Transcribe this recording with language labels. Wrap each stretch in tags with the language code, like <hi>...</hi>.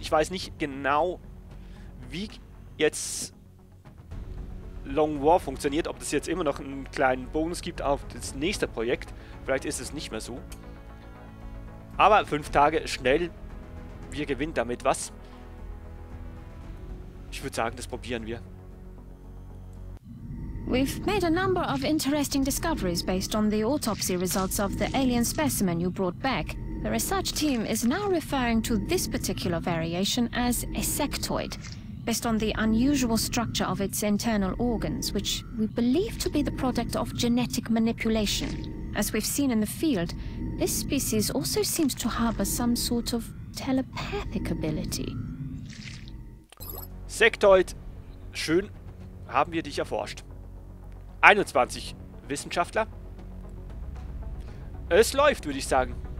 <de>Ich weiß nicht genau, wie jetzt Long War funktioniert, ob das jetzt immer noch einen kleinen Bonus gibt auf das nächste Projekt. Vielleicht ist es nicht mehr so. Aber 5 Tage schnell. Wir gewinnen damit was. Ich würde sagen, das probieren wir.</de> <en>We've made a number of interesting discoveries based on the autopsy results of the alien specimen you brought back. The research team is now referring to this particular variation as a sectoid. Based on the unusual structure of its internal organs, which we believe to be the product of genetic manipulation. As we've seen in the field, this species also seems to harbor some sort of telepathic ability.</en> <de>Sektoid, schön, haben wir dich erforscht. 21 Wissenschaftler. Es läuft, würde ich sagen.</de>